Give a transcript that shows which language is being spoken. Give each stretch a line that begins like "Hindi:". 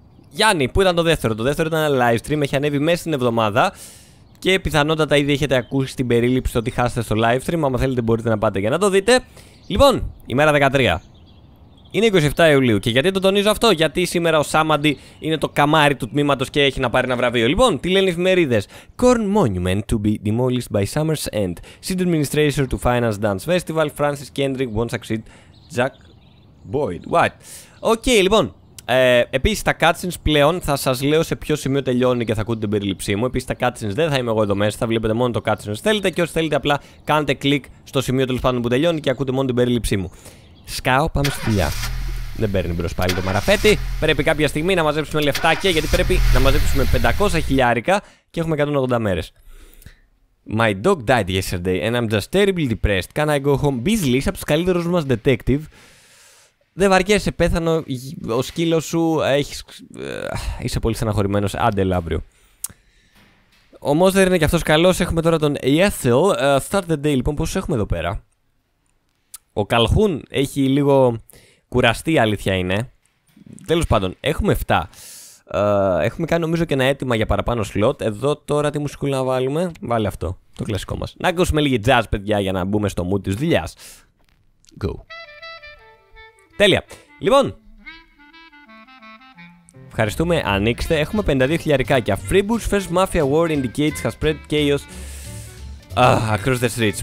Greek: Γιάννη, πού ήταν το δεύτερο? Το δεύτερο ήταν ένα live stream, έχει ανέβει μέσα στην εβδομάδα και πιθανότατα ήδη έχετε ακούσει την περίληψη ότι χάσατε στο live stream. Άμα θέλετε μπορείτε να πάτε για να το δείτε. Λοιπόν, ημέρα 13. Είναι 27 Ιουλίου και γιατί το τονίζω αυτό? Γιατί σήμερα ο Σάμαντι είναι το καμάρι του τμήματος και έχει να πάρει ένα βραβείο. Λοιπόν, τι λένε οι εφημερίδες?
English: Corn Monument to be demolished by summer's end. City Administrator to Finance Dance Festival. Francis Kendrick won't succeed. Jack Boyd. What?
Greek: Okay, λοιπόν. Επίσης τα cutscenes πλέον θα σας λέω σε ποιο σημείο τελειώνει και θα ακούτε την περίληψή μου. Επίσης τα cutscenes δεν θα είμαι εγώ εδώ μέσα, θα βλέπετε μόνο το cutscenes. Θέλετε και όσοι θέλετε απλά κάντε κλικ στο σημείο τέλος πάντων που τελειώνει και ακούτε μόνο την περίληψή μου. Σκάω, πάμε στη δουλειά. Δεν παίρνει μπρος πάλι το μαραφέτη. Πρέπει κάποια στιγμή να μαζέψουμε λεφτάκια, γιατί πρέπει να μαζέψουμε 500 χιλιάρικα και έχουμε 180 μέρες.
English: My dog died yesterday and I'm just terribly depressed. Can I go home?
Greek: Beasley, από τους καλύτερους μας detective. Δεν βαριέσαι, πέθανε ο σκύλος σου. Έχεις... είσαι πολύ στεναχωρημένος. Άντε, αύριο. Ο Μόζερ είναι και αυτός καλός. Έχουμε τώρα τον Ethel.
English: Start the day, λοιπόν.
Greek: Πόσους έχουμε εδώ πέρα? Ο Καλχούν έχει λίγο κουραστεί, αλήθεια είναι. Τέλος πάντων, έχουμε 7. Έχουμε κάνει νομίζω και ένα αίτημα για παραπάνω σλότ. Εδώ τώρα τι μουσικούλα να βάλουμε? Βάλε αυτό, το κλασικό μας. Να ακούσουμε λίγη jazz, παιδιά, για να μπούμε στο mood της δουλειάς. Go. Τέλεια. Λοιπόν, ευχαριστούμε, ανοίξτε. Έχουμε 52 χιλιαρικάκια.
English: Freeboots first mafia war indicates has spread chaos across the streets.